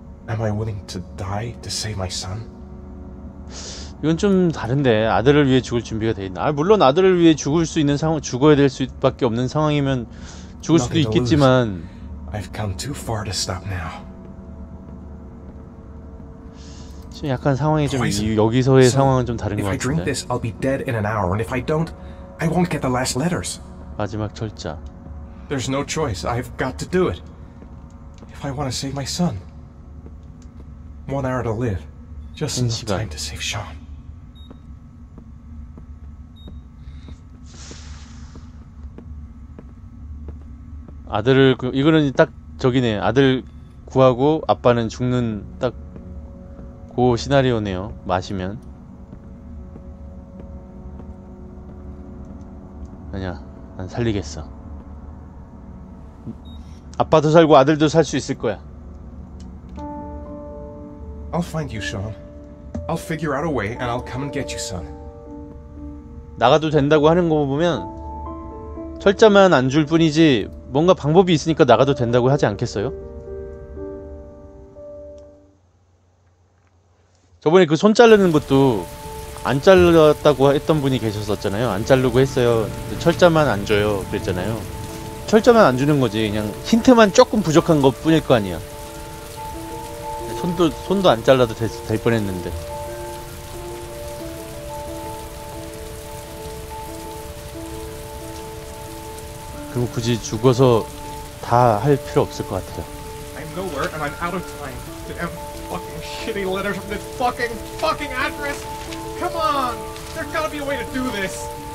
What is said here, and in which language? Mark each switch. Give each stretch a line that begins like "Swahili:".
English: Am I willing to die to save my son?
Korean: 이건 좀 다른데, 아들을 위해 죽을 준비가 돼 있나? 아, 물론 아들을 위해 죽을 수 있는 상황, 죽어야 될 수밖에 없는 상황이면 죽을 수도 있겠지만.
English: I've come too far to stop now.
Korean: 지금 약간 상황이 좀 여기서의 상황은 좀 다른 것 같은데.
English: If I drink this, I'll be dead in an hour, and if I don't. I won't get the last letters.
Korean: 마지막 절자.
English: There's no choice. I've got to do it. If I want to save my son. One hour to live. Just enough time to save Sean.
Korean: 아들을 이거는 딱 저기네. 아들 구하고 아빠는 죽는 딱 그 시나리오네요. 마시면. 아니야, 난 살리겠어. 아빠도 살고 아들도 살 수 있을 거야.
English: I'll find you, Sean. I'll figure out a way, and I'll come and get you, son.
Korean: 나가도 된다고 하는 거 보면 철자만 안 줄 뿐이지 뭔가 방법이 있으니까 나가도 된다고 하지 않겠어요? 저번에 그 손 자르는 것도 안 잘랐다고 했던 분이 계셨었잖아요. 안 자르고 했어요. 철자만 안 줘요. 그랬잖아요. 철자만 안 주는 거지. 그냥 힌트만 조금 부족한 것 뿐일 거 아니야. 손도 안 잘라도 될 뻔했는데. 그리고 굳이 죽어서 다 할 필요 없을 것 같아요.
English: I'm nowhere and I'm out of time. Damn fucking shitty letter from this fucking address. Come on. There's gotta be a way to do this.